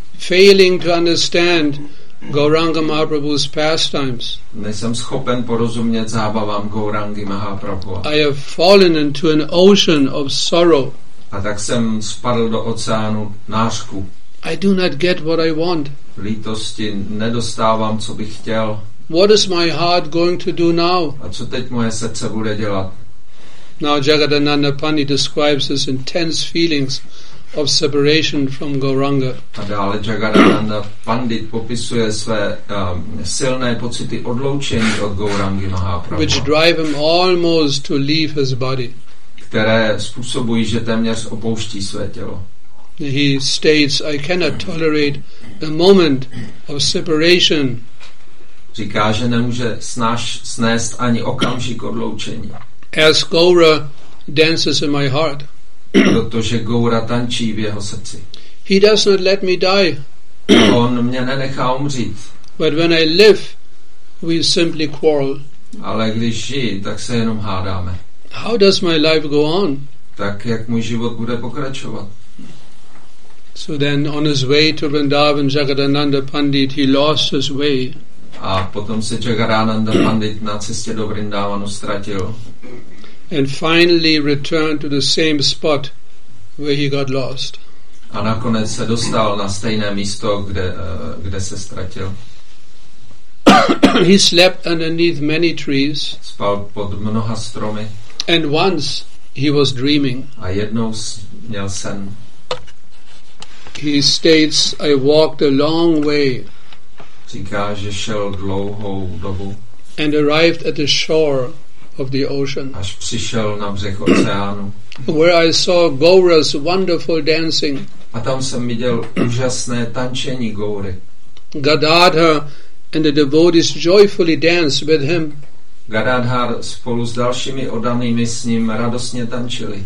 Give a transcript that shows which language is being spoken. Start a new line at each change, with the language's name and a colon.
English: Failing to understand Gauranga Mahaprabhu's pastimes.
Czech: Nejsem schopen porozumět zábavám Gaurangi Mahaprabhu.
English: I have fallen into an ocean of sorrow.
Czech: A tak jsem spadl do oceánu nářku.
English: I do not get what I want.
Czech: Lítosti nedostávám, co bych chtěl.
English: What is my heart going to do now?
Czech: A co teď moje srdce bude dělat?
English: Now Jagadananda Pandit describes his intense feelings of separation from Gauranga.
Czech: A dále Jagadananda Pandit popisuje své silné pocity odloučení od Gaurangi Mahaprabhu.
English: Which drive him almost to leave his body.
Czech: Které způsobují, že téměř opouští své tělo.
English: He states, I cannot tolerate a moment of separation.
Czech: Říká, že nemůže snést ani okamžik odloučení.
English: As Gaura dances in my heart.
Czech: Protože Gaura tančí v jeho srdci.
English: He does not let me die.
Czech: On mě nenechá umřít.
English: But when I live, we simply quarrel.
Czech: Ale když žijí, tak se jenom hádáme.
English: How does my life go on?
Czech: Tak jak můj život bude pokračovat?
English: So then on his way to Vrindavan, Jagadananda Pandit, he lost his way.
Czech: A potom se Jagadananda Pandit na cestě do Vrindavanu ztratil.
English: And finally returned to the same spot where he got lost.
Czech: A nakonec se dostal na stejné místo, kde se ztratil.
English: He slept underneath many trees.
Czech: Spal pod mnoha stromy.
English: And once he was dreaming.
Czech: A jednou měl sen.
English: He states, I walked a long way.
Czech: Říká, že šel dlouhou dobu.
English: And arrived at the shore of the ocean.
Czech: Až přišel na břeh oceánu.
English: Where I saw Gaura's wonderful dancing.
Czech: A tam jsem viděl úžasné tančení Gaury.
English: Gadadhar and the devotees joyfully danced with him.
Czech: Gadadhar spolu s dalšími oddanými s ním radostně tančili.